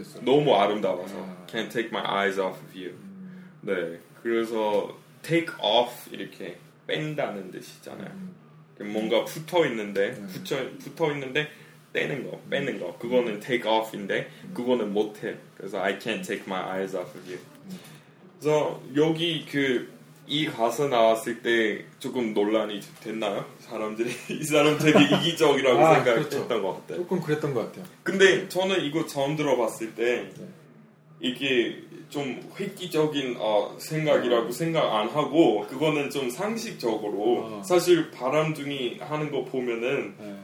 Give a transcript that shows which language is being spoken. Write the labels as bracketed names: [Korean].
[Korean] 너무 아름다워서 아. Can't Take My Eyes Off of You. 네, 그래서 Take Off 이렇게 뺀다는 뜻이잖아요. 뭔가 붙어 있는데 붙어 있는데 떼는 거, 빼는 거, 그거는 take off인데 그거는 못해. [English] 그래서 I can't take my eyes off of you. [Korean] 그래서 여기 그 이 가사 나왔을 때 조금 논란이 됐나요? 사람들이 이 사람 되게 이기적이라고 아, 생각했던 그렇죠. 것 같아요. 조금 그랬던 것 같아요. 근데 저는 이거 처음 들어봤을 때 이게 좀 획기적인 생각이라고 생각 안 하고 그거는 좀 상식적으로 사실 바람둥이 하는 거 보면은 네.